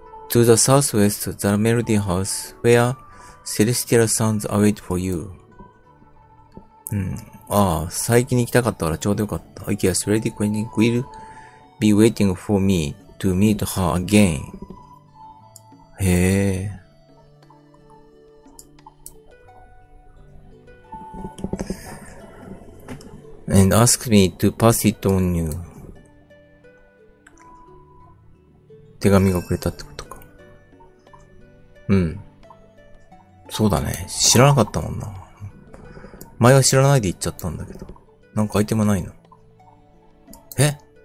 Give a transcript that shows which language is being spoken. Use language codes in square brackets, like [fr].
[en] To the southwest, the melody house, where celestial sounds await for you. [ja] うん。ああ、最近に来たかったからちょうどよかった。 [en] I guess Lady Queen will be waiting for me to meet her again. [ja] へえ。 [en] And ask me to pass it on you. [ja] 手紙がくれたってこと。うん。そうだね。知らなかったもんな。前は知らないで行っちゃったんだけど。なんかアイテムないの。え？